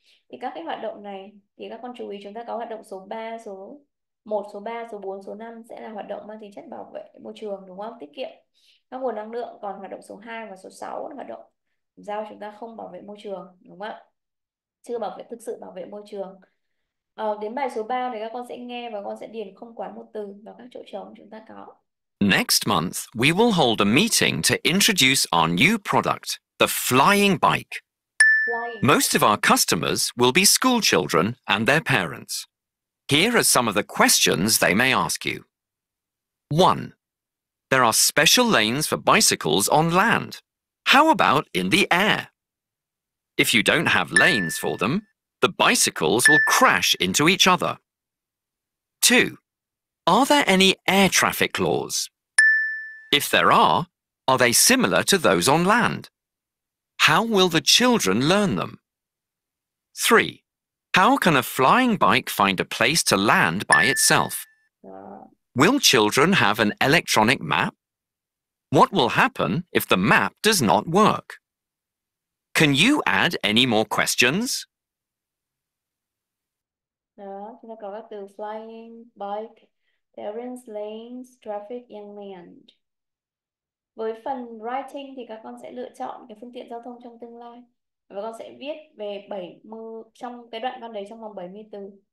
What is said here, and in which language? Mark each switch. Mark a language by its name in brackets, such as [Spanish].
[Vietnamese] Thì các cái hoạt động này thì các con chú ý, chúng ta có hoạt động số 3, số 1, số 3, số 4, số 5 sẽ là hoạt động mang tính chất bảo vệ môi trường, đúng không? Tiết kiệm các nguồn năng lượng. Còn hoạt động số 2 và số 6 là hoạt động giao chúng ta không bảo vệ môi trường, đúng không ạ? Chưa bảo vệ, thực sự bảo vệ môi trường. Đến bài số 3 thì các con sẽ nghe và con sẽ điền không quá một từ vào các chỗ trống chúng ta có. [English] Next month, we will hold a meeting to introduce our new product, the flying bike. Flying. Most of our customers will be school children and their parents. Here are some of the questions they may ask you. 1. There are special lanes for bicycles on land. How about in the air? If you don't have lanes for them, the bicycles will crash into each other. 2. Are there any air traffic laws? If there are they similar to those on land? How will the children learn them? 3. How can a flying bike find a place to land by itself? Will children have an electronic map? What will happen if the map does not work? Can you add any more questions? [Vietnamese] Đó, chúng ta có các từ [English] flying, bike, parents, lanes, traffic, and land. [Vietnamese] Với phần writing thì các con sẽ lựa chọn cái phương tiện giao thông trong tương lai. Và con sẽ viết về 70, trong cái đoạn văn đấy trong vòng 70 từ.